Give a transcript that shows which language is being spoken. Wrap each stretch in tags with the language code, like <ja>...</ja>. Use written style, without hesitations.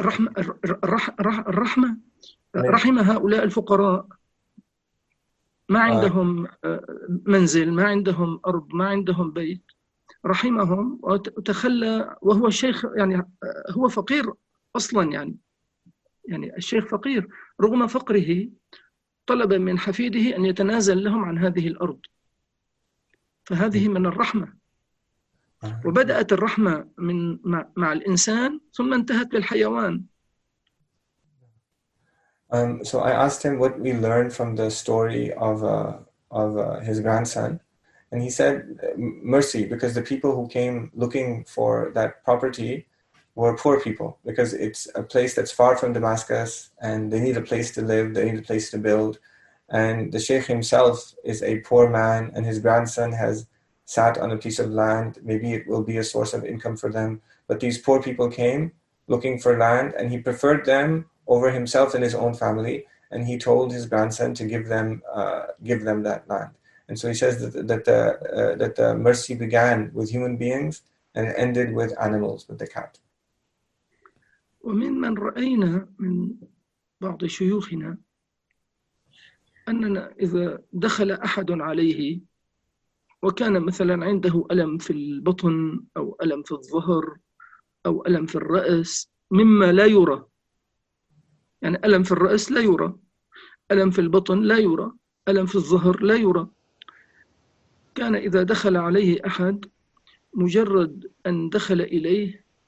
<ar>الرحمة رحم هؤلاء الفقراء ما عندهم منزل ما عندهم أرض ما عندهم بيت رحمهم وتخلى وهو الشيخ يعني هو فقير أصلا يعني الشيخ فقير رغم فقره طلب من حفيده أن يتنازل لهم عن هذه الأرض فهذه من الرحمة وبدأت الرحمة من مع الإنسان ثم انتهت بالحيوان</ar> <en>So I asked him what we learned from the story of his grandson, and he said mercy, because the people who came looking for that property were poor people, because it's a place that's far from Damascus, and they need a place to live, they need a place to build, and the sheikh himself is a poor man, and his grandson has sat on a piece of land, maybe it will be a source of income for them, but these poor people came looking for land, and he preferred them over himself and his own family, and he told his grandson to give them that land. And so he says that the mercy began with human beings and it ended with animals, with the cat.</en> <ar>وممن رأينا من بعض شيوخنا أننا إذا دخل أحد عليه وكان مثلا عنده ألم في البطن أو ألم في الظهر أو ألم في الرأس مما لا يرى، يعني ألم في الرأس لا يرى، ألم في البطن لا يرى، ألم في الظهر لا يرى، كان إذا دخل عليه أحد مجرد أن دخل إليه</ar>